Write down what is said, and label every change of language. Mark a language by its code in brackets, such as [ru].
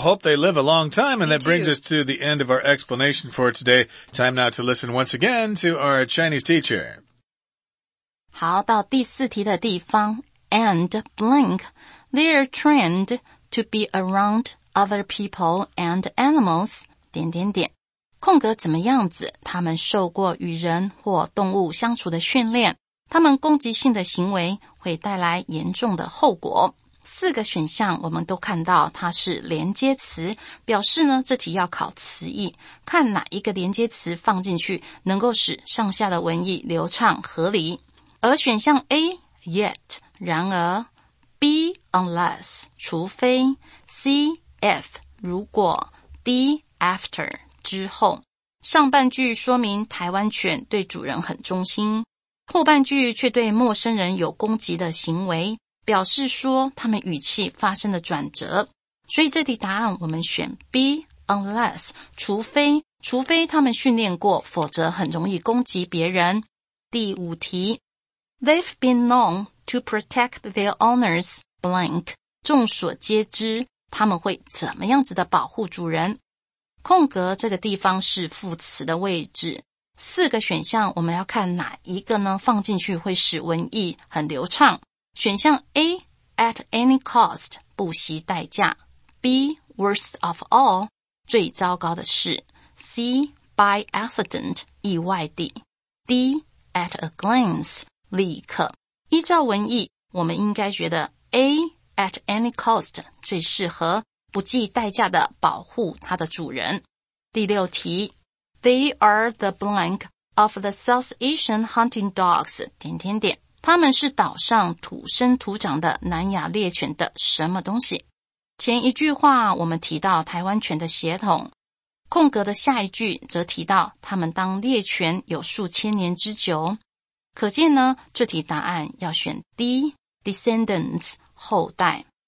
[en] Hope they live a long time. And brings us to the end of our explanation for today. Time now to listen once again to our Chinese teacher. [zh] 好，到第四题的地方。 [en] And blink, their trend to be around other people and animals, [zh] 点点点。空格怎么样子？他们受过与人或动物相处的训练。他们攻击性的行为会带来严重的后果。四个选项我们都看到它是连接词，表示呢这题要考词义，看哪一个连接词放进去能够使上下的文意流畅合理。而选项 A yet 然而， B unless 除非， C if 如果， D after 之后。上半句说明台湾犬对主人很忠心，后半句却对陌生人有攻击的行为，表示说他们语气发生了转折。所以这题答案我们选 B, unless, 除非他们训练过，否则很容易攻击别人。第五题， [en] They've been known to protect their owners, [zh] blank, 众所皆知他们会怎么样子的保护主人。空格这个地方是副词的位置。四个选项我们要看哪一个呢放进去会使文意很流畅。选项 A, [en] at any cost, [zh] 不惜代价。 B, [en] worst of all, [zh] 最糟糕的事。 C, [en] by accident, [zh] 意外地。 D, [en] at a glance, [zh] 立刻。依照文意，我们应该觉得 A, [en] at any cost, [zh] 最适合不计代价的保护它的主人。第六题， [en] They are the blank of the South Asian hunting dogs, [zh] 点点点。他们是岛上土生土长的南亚猎犬的什么东西？前一句话我们提到台湾犬的血统，空格的下一句则提到他们当猎犬有数千年之久。可见呢，这题答案要选 D, descendants, 后代。